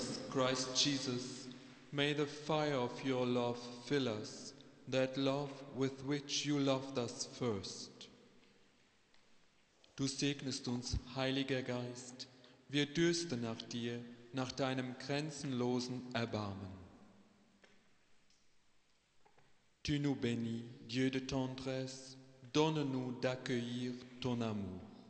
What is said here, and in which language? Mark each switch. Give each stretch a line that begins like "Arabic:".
English: Christ Jesus, may the fire of your love fill us, that love with which you loved us first.
German: Du segnest uns, Heiliger Geist, wir dürsten nach dir, nach deinem grenzenlosen Erbarmen.
French: Tu nous bénis, Dieu de tendresse, donne-nous d'accueillir ton amour.